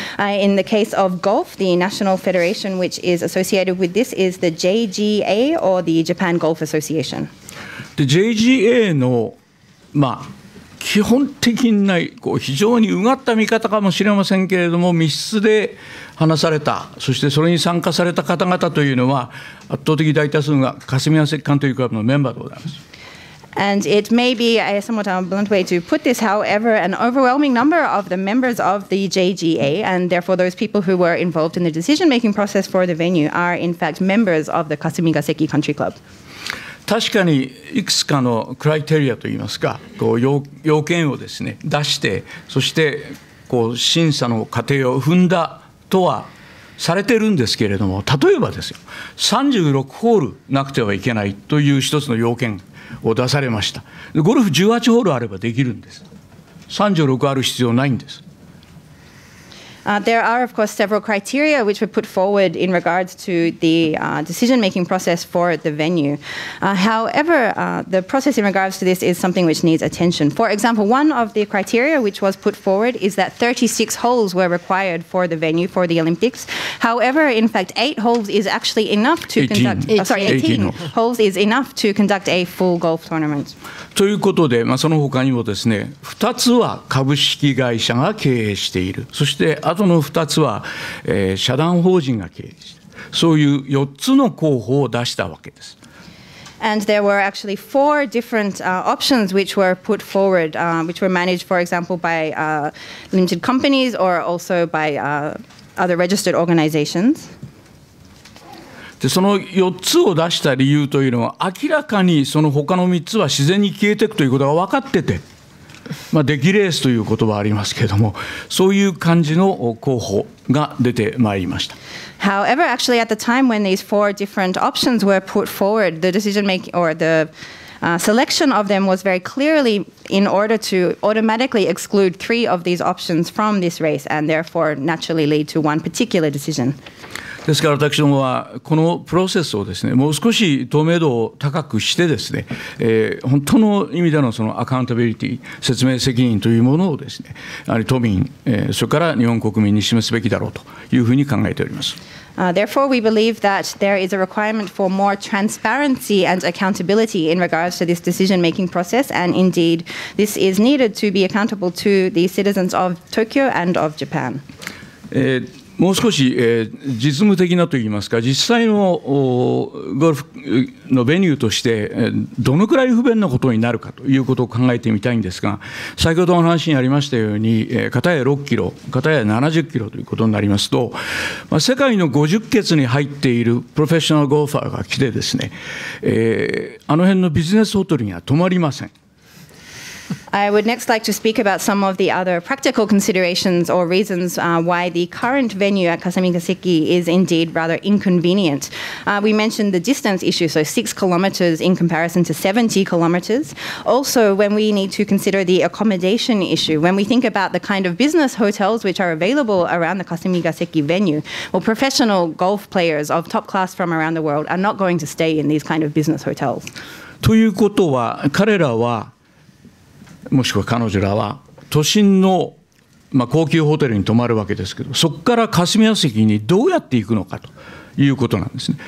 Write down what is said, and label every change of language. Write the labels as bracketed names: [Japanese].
[English] In the case of golf, the national federation which is associated with this is the JGA or the Japan Golf Association. [Japanese] The JGA のまあ、基本的な非常にうがった見方かもしれませんけれども、密室で話された、そしてそれに参加された方々というのは圧倒的大多数が霞ヶ関カントリークラブのメンバーでございます。 [English] And it may be a somewhat blunt way to put this, however, an overwhelming number of the members of the JGA and therefore those people who were involved in the decision-making process for the venue are in fact members of the 霞ヶ関カントリークラブ。 [Japanese] 確かにいくつかのクライテリアといいますか、こう要件をですね出して、そしてこう審査の過程を踏んだとはされてるんですけれども、例えばですよ、36ホールなくてはいけないという一つの要件を出されました。ゴルフ18ホールあればできるんです。 36ある必要ないんです。 [English] There are, of course, several criteria which were put forward in regards to the decision-making process for the venue. However, the process in regards to this is something which needs attention. For example, one of the criteria which was put forward is that 36 holes were required for the venue for the Olympics. However, in fact, 8 holes is actually enough to 18. conduct. 18. Sorry, 18 holes is enough to conduct a full golf tournament. [Japanese] ということで、まあ、その他にもですね、2つは株式会社が経営している。そしてあとの2つは、社団法人が経営して、そういう4つの候補を出したわけです。 [English] And there were actually four different options which were put forward, which were managed, for example, by limited companies or also by other registered organizations. [Japanese] で、その4つを出した理由というのは、明らかにその他の3つは自然に消えていくということが分かってて、まあ、デキレースという言葉ありますけれども、そういう感じの候補が出てまいりました。 [English] However, actually at the time when these four different options were put forward, the decision making or the selection of them was very clearly in order to automatically exclude three of these options from this race and therefore naturally lead to one particular decision. [Japanese] ですから私どもはこのプロセスをですね、もう少し透明度を高くしてですね、本当の意味でのそのアカウンタビリティ、説明責任というものをですね、やはり都民、それから日本国民に示すべきだろうというふうに考えております。 [English] Therefore, we believe that there is a requirement for more transparency and accountability in regards to this decision-making process, and indeed, this is needed to be accountable to the citizens of Tokyo and of Japan. [Japanese] もう少し、実務的なといいますか、実際のゴルフのベニューとして、どのくらい不便なことになるかということを考えてみたいんですが、先ほどの話にありましたように、片や6キロ、片や70キロということになりますと、まあ、世界の50決に入っているプロフェッショナルゴルファーが来てですね、あの辺のビジネスホテルには泊まりません。 [English] I would next like to speak about some of the other practical considerations or reasons why the current venue at Kasamigaseki is indeed rather inconvenient. We mentioned the distance issue, so 6 kilometers in comparison to 70 kilometers. Also, when we need to consider the accommodation issue, when we think about the kind of business hotels which are available around the Kasamigaseki venue, well, professional golf players of top class from around the world are not going to stay in these kind of business hotels. [Japanese] ということは、彼らはもしくは彼女らは都心の、まあ、高級ホテルに泊まるわけですけど、そこから霞が関にどうやって行くのかということなんですね。